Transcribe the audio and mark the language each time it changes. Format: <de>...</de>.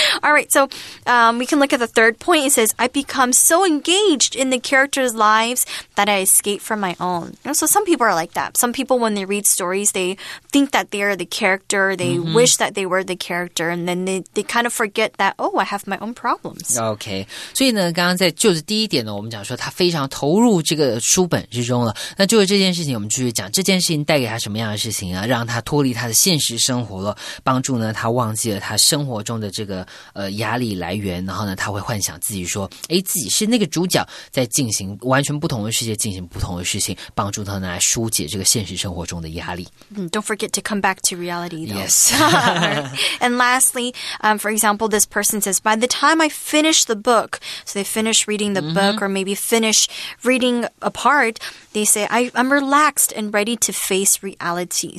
<en>All right, so we can look at the third point. It says, I become so engaged in the characters' lives that I escape from my own. And so some people are like that. Some people, when they read stories, they think that they are the character, they wish that they were the character, and then they kind of forget that, oh, I have my own problems. Okay.</en> <zh>所以呢刚刚在就是第一点呢我们讲说他非常投入这个书本之中了。那就是这件事情我们继续讲这件事情带给他什么样的事情啊让他脱离他的现实生活了帮助呢他忘记了他生活中的这个压力来源然后呢他会幻想自己说诶自己是那个主角在进行完全不同的世界进行不同的事情帮助他呢来疏解这个现实生活中的压力。</zh> <en>Don't forget to come back to reality, though. Yes. And lastly, for example, this person says, by the time I finish the book, so they finish reading the book or maybe finish reading a part, they say, I'm relaxed and ready to face reality.</en>